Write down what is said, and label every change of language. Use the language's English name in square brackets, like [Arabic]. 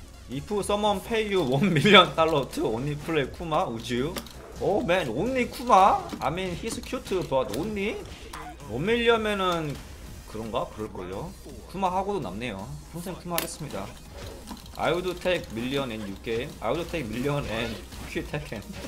[English] If someone pay you $1 million to only play Kuma, would you? Oh man, only Kuma? I mean, he's cute, but only? [Korean] 1 million면은 그런가? 그럴걸요? Kuma 하고도 남네요. 평생 Kuma 하겠습니다. [English] I would take million and you game. I would take million and quit Tekken.